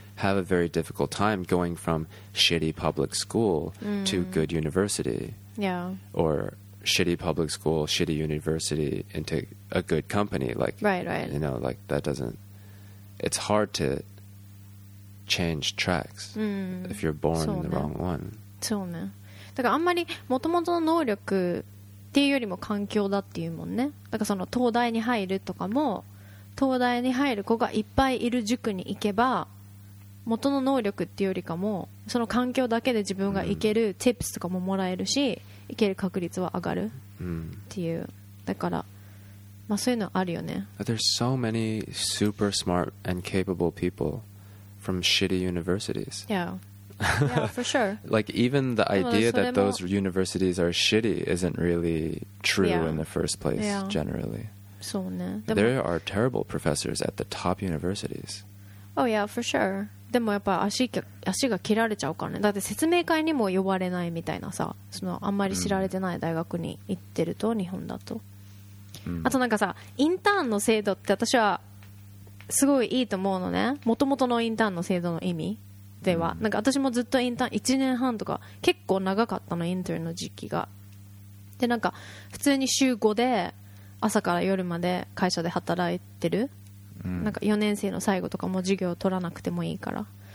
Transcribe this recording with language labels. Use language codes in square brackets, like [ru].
[en] have a very difficult time going from shitty public school to good university. Yeah. Or shitty public school, shitty university into a good company. Like, right, right. You know, like that doesn't, it's hard to change tracks if you're born in the wrong one. [ja] そうね。だからあんまり元々の能力っていうよりも環境だっていうもんね。だからその東大に入るとかも、東大に入る子がいっぱいいる塾に行けば、元の能力っていうよりかも、その環境だけで自分が行けるチップスとかももらえるし、行ける確率は上がるっていう。だから、まあそういうのあるよね。 [en] There's so many super smart and capable people from shitty universities. Yeah. Yeah, for sure. Like, even the idea that those universities are shitty isn't really true in the first place, generally. [ja] そうね。 [en] There are terrible professors at the top universities. Oh, yeah, for sure. [ja] でもやっぱ足が切られちゃうからね。だって説明会にも呼ばれないみたいなさ、そのあんまり知られてない大学に行ってると、日本だと。あとなんかさ、インターンの制度って私はすごいいいと思うのね。もともとのインターンの制度の意味。ではなんか私もずっとインターン1年半とか結構長かったのインターンの時期がでなんか普通に週5で朝から夜まで会社で働いてる、なんか4年生の最後とかも授業を取らなくてもいいから